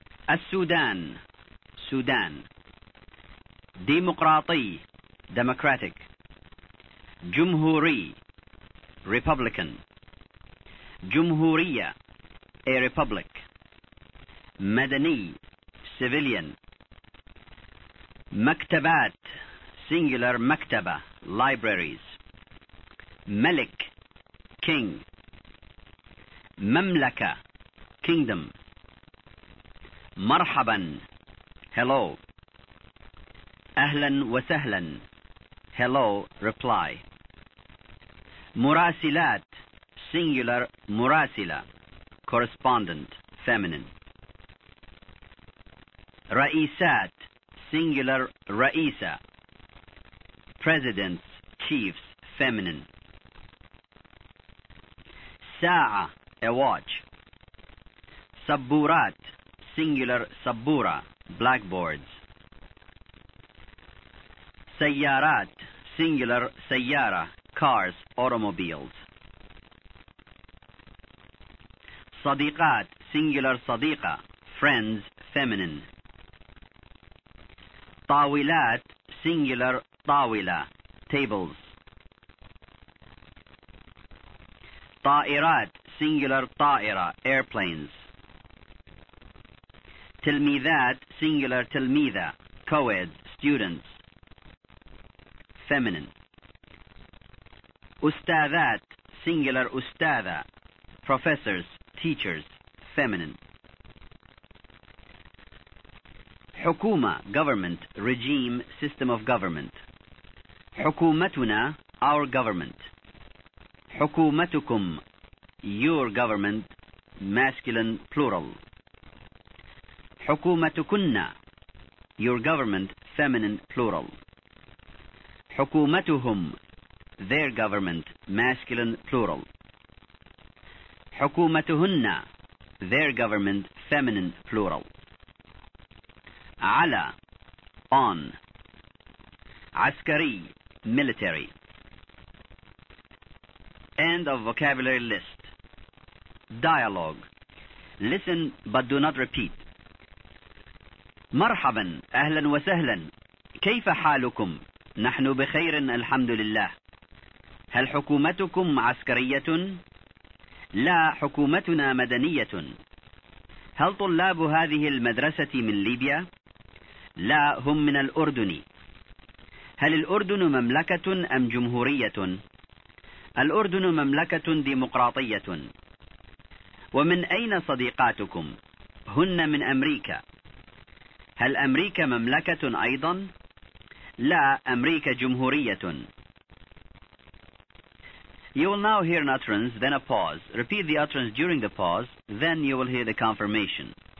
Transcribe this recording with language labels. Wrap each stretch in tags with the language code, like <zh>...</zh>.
<en>السودان, Sudan. ديمقراطي, Democratic. جمهوري, Republican. جمهورية, a republic. مدني, civilian. مكتبات, singular مكتبة, libraries. ملك, king. مملكة, kingdom. مرحبا, hello.</en> <ar>أهلا وسهلا,</ar> <en>hello, reply. مراسلات, singular مراسلة, correspondent, feminine. رئيسات, singular رئيسة, presidents, chiefs, feminine. ساعة, a watch. سبورات, singular سبورة, blackboards. سيارات, singular سيارة, cars, automobiles. صديقات, singular صديقة, friends, feminine. طاولات, singular طاولة, tables. طائرات, singular طائرة, airplanes. تلميذات, singular تلميذة, coeds, students, feminine. أستاذات, singular أستاذة, professors, teachers, feminine. حكومة, government, regime, system of government. حكومتنا, our government. حكومتكم, your government, masculine, plural. حكومتكن, your government, feminine, plural. حكومتهم, their government, masculine, plural. حكومتهن, their government, feminine, plural. على, on. عسكري, military. End of vocabulary list. Dialogue. Listen but do not repeat.</en> <ar>مرحبا, أهلا وسهلا. كيف حالكم؟ نحن بخير الحمد لله. هل حكومتكم عسكرية؟ لا, حكومتنا مدنية. هل طلاب هذه المدرسة من ليبيا؟ لا, هم من الأردن. هل الأردن مملكة أم جمهورية؟ الأردن مملكة ديمقراطية. ومن أين صديقاتكم؟ هن من أمريكا. هل أمريكا مملكة أيضا؟ لا, أمريكا جمهورية.</ar> <en>You will now hear an utterance, then a pause. Repeat the utterance during the pause, then you will hear the confirmation.</en>